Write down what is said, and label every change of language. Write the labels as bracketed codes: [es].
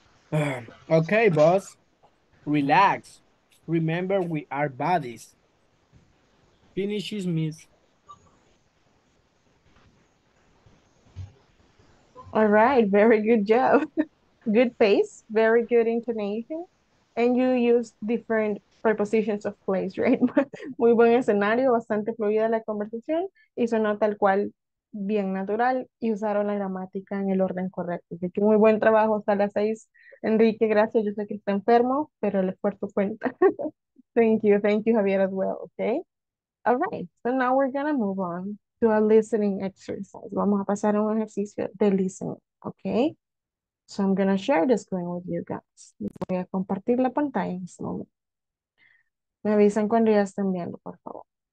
[en] Okay, boss. Relax. Remember, we are buddies. Finishes, miss. All right. Very good job. Good pace. Very good intonation. And you use different prepositions of place, right? [es] Muy buen escenario, bastante fluida la conversación, y sonó tal cual bien natural, y usaron la gramática en el orden correcto. Así que muy buen trabajo, sala 6. Enrique, gracias, yo sé que está enfermo, pero el esfuerzo cuenta. [en] thank you, Javier, as well, okay? All right, so now we're gonna move on to a listening exercise. [es] Vamos a pasar a un ejercicio de listening, okay? [en] So I'm gonna share the screen with you guys. [es] Voy a compartir la pantalla en este momento. Me avisan cuando ya estén viendo, por favor.